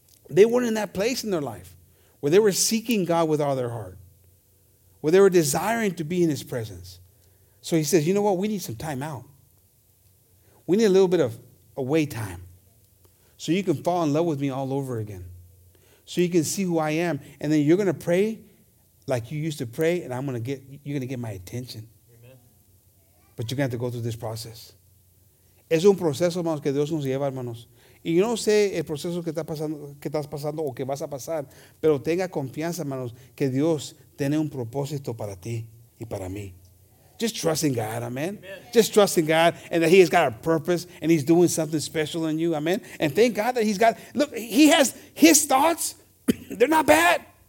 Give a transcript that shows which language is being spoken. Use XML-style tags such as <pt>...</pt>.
<en>They weren't in that place in their life where they were seeking God with all their heart, where they were desiring to be in his presence. So he says, you know what? We need some time out. We need a little bit of away time. So you can fall in love with me all over again. So you can see who I am. And then you're going to pray like you used to pray, and you're going to get my attention. Amen. But you're going to have to go through this process.</en> <es>Es un proceso, hermanos, que Dios nos lleva, hermanos. Y yo no sé el proceso que, está pasando, que estás pasando o que vas a pasar, pero tenga confianza, hermanos, que Dios tiene un propósito para ti y para mí.</es> <en>Just trust in God, amen. Just trust in God and that he has got a purpose and he's doing something special in you, amen. And thank God that he's got, look, he has his thoughts, they're not bad.</en>